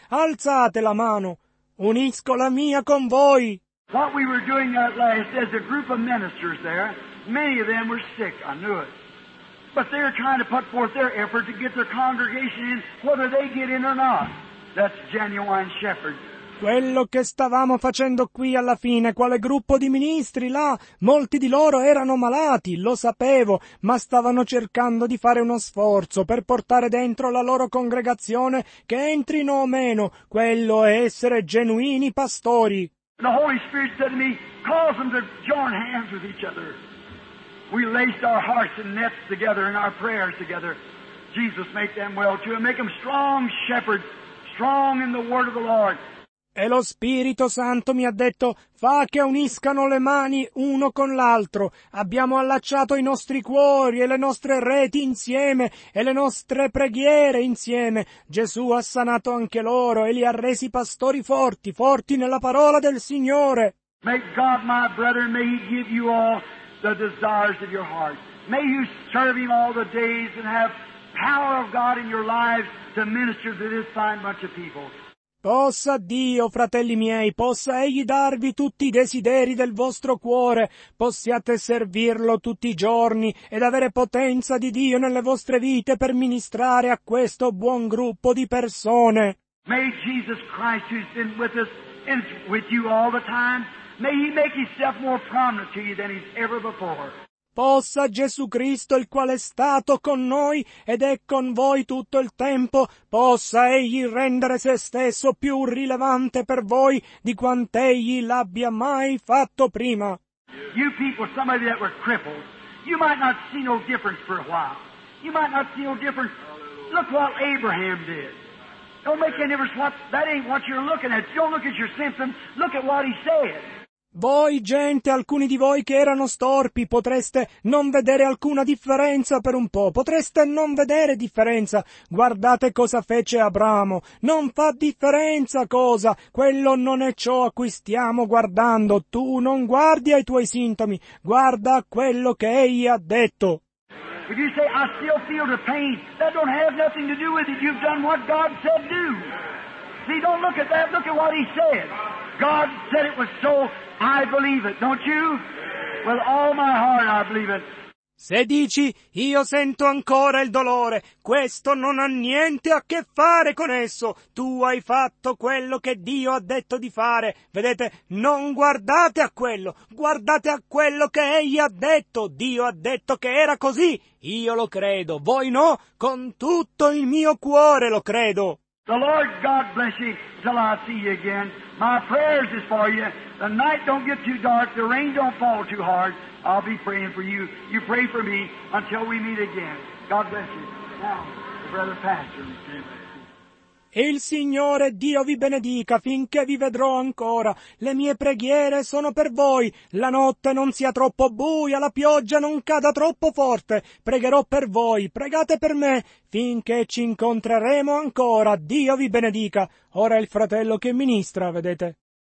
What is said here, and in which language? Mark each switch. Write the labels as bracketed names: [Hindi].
[Italian] Alzate la mano, unisco la mia con voi. [English] What we were doing at last as a group of ministers there, many of them were sick, I knew it, but they were trying to put forth their effort to get their congregation in, whether they get in or not. That's genuine shepherd. [Italian] Quello che stavamo facendo qui alla fine, quale gruppo di ministri là, molti di loro erano malati, lo sapevo, ma stavano cercando di fare uno sforzo per portare dentro la loro congregazione che entrino o meno, quello è essere genuini pastori. [English] The Holy Spirit said to me, cause them to join hands with each other. We laced our hearts and nets together in our prayers together. Jesus, make them well too, and make them strong shepherds, strong in the word of the Lord. [Italian] E lo Spirito Santo mi ha detto, fa che uniscano le mani uno con l'altro. Abbiamo allacciato i nostri cuori e le nostre reti insieme e le nostre preghiere insieme. Gesù ha sanato anche loro e li ha resi pastori forti, forti nella parola del Signore. [English] May God, my brother, may He give you all the desires of your heart. May you serve Him all the days and have power of God in your lives to minister to this fine bunch of people. [Italian] Possa Dio, fratelli miei, possa Egli darvi tutti i desideri del vostro cuore, possiate servirlo tutti i giorni ed avere potenza di Dio nelle vostre vite per ministrare a questo buon gruppo di persone. [English] May Jesus Christ, who's been with us and with you all the time, may He make Himself more prominent to you than He's ever before. [Italian] Possa Gesù Cristo, il quale è stato con noi ed è con voi tutto il tempo, possa Egli rendere se stesso più rilevante per voi di quant'Egli l'abbia mai fatto prima. [English] You people, some of you that were crippled, you might not see no difference for a while. You might not see no difference. Look what Abraham did. Don't make any difference. That ain't what you're looking at. Don't look at your symptoms. Look at what he said. [Italian] Voi, gente, alcuni di voi che erano storpi, potreste non vedere alcuna differenza per un po', potreste non vedere differenza. Guardate cosa fece Abramo, non fa differenza cosa, quello non è ciò a cui stiamo guardando, tu non guardi ai tuoi sintomi, guarda a quello che egli ha detto. [English] If you say, I still feel the pain, that don't have nothing to do with it, you've done what God said do. See, don't look at that, look at what he said. God said it was so, I believe it, don't you? With all my heart I believe it. [Italian] Se dici, io sento ancora il dolore, questo non ha niente a che fare con esso. Tu hai fatto quello che Dio ha detto di fare. Vedete, non guardate a quello, guardate a quello che Egli ha detto. Dio ha detto che era così, io lo credo. Voi no, con tutto il mio cuore lo credo. [English] The Lord God bless you till I see you again. My prayers is for you. The night don't get too dark. The rain don't fall too hard. I'll be praying for you. You pray for me until we meet again. God bless you. Now, the brother pastor. [Italian] Il Signore Dio vi benedica finché vi vedrò ancora. Le mie preghiere sono per voi. La notte non sia troppo buia, la pioggia non cada troppo forte. Pregherò per voi, pregate per me, finché ci incontreremo ancora. Dio vi benedica. Ora il fratello che ministra, vedete.